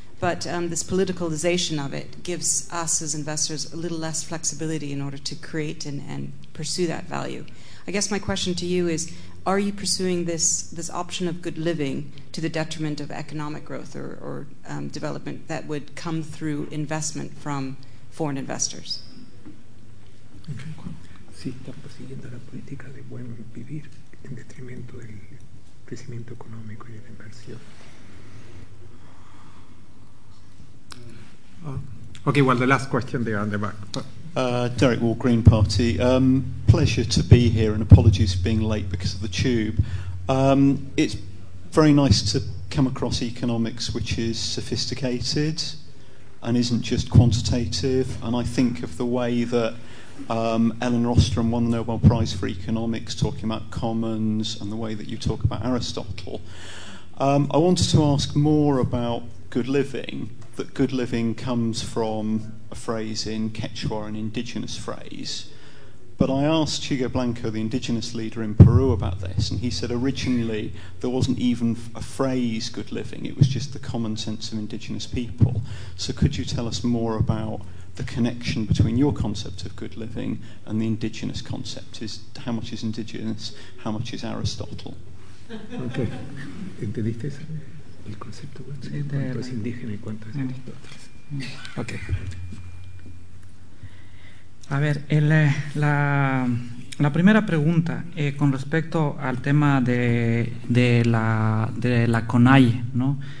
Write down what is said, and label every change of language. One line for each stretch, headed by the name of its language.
English: But this politicalization of it gives us as investors a little less flexibility in order to create and pursue that value. I guess my question to you is, are you pursuing this option of good living to the detriment of economic growth or development that would come through investment from foreign investors?
Spanish: Si están persiguiendo la política de buen vivir en detrimento del crecimiento económico y de la inversión.
English: Okay, well, the last question there on the back. Derek Wall, Green Party. Pleasure to be here, and apologies for being late because of the tube. It's very nice to come across economics which is sophisticated and isn't just quantitative. And I think of the way that Ellen Rostrum won the Nobel Prize for Economics, talking about commons, and the way that you talk about Aristotle. I wanted to ask more about good living, that good living comes from a phrase in Quechua, an indigenous phrase. But I asked Hugo Blanco, the indigenous leader in Peru, about this, and he said originally there wasn't even a phrase good living, it was just the common sense of indigenous people. So could you tell us more about the connection between your concept of good living and the indigenous concept? Is how much is indigenous, how much is Aristotle?
Spanish: Okay. ¿Entendiste eso? El concepto, ¿cuánto es indígena y cuánto es Aristotle?
English: Okay.
Spanish: A ver, la primera pregunta con respecto al tema de la CONAIE, ¿no?